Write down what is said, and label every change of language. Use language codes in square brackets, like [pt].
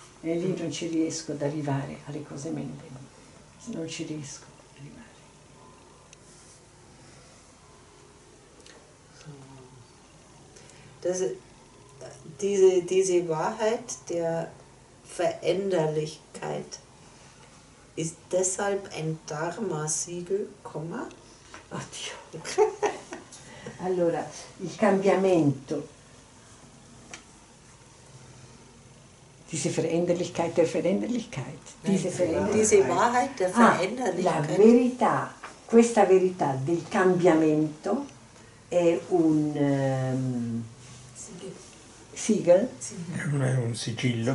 [it] E lì non ci riesco ad arrivare alle cose meno belle. Non ci riesco a arrivare. [de] Das, diese Wahrheit der Veränderlichkeit ist deshalb ein Dharma-Siegel, Komma? [it] Oddio. Allora, il cambiamento. [de] Diese Veränderlichkeit der Veränderlichkeit. Diese Wahrheit der Veränderlichkeit. [it] La verità, questa verità del cambiamento è un sigillo.